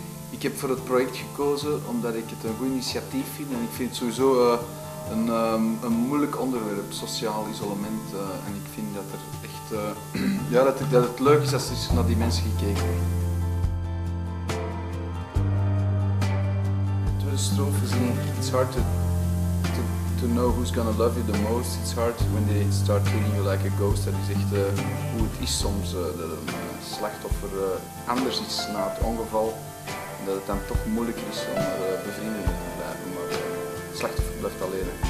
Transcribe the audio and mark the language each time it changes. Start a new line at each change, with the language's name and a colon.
Dutch: Ik heb voor het project gekozen omdat ik het een goed initiatief vind en ik vind het sowieso een moeilijk onderwerp, sociaal isolement. En ik vind dat er echt dat het leuk is als er naar die mensen gekeken wordt. De tweede strofe is:
English: it's hard to know who's gonna love you the most. It's hard when they start treating you like a ghost.
Dutch: Dat is echt hoe het is soms dat een slachtoffer anders is na het ongeval. Dat het dan toch moeilijker is om bevrienden te blijven, maar het slachtoffer blijft alleen.